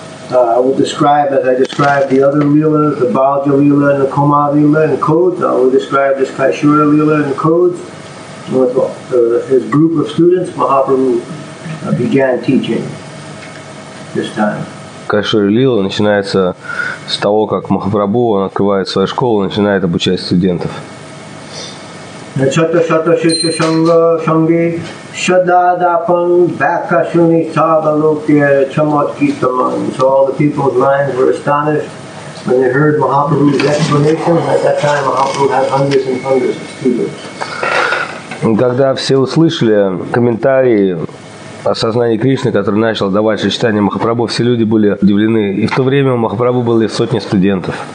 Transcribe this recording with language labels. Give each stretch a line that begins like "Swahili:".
English: I will describe, as I described the other Leelas, the Balja Leela and the Koma Leela in codes. I will describe this Kaishura Leela in codes. With his group of students, Mahaprabhu began teaching this time.
Russian: Кашури Лила начинается с того, как Махапрабху, он открывает свою школу и начинает обучать студентов.
English: So all the people's minds were astonished when they heard Mahaprabhu's explanation. At that time, Mahaprabhu had hundreds and hundreds of students.
Russian: Когда все услышали комментарии осознание Кришны, который начал давать сочетание Махапрабху, все люди были удивлены. И в то время у Махапрабху были сотни студентов.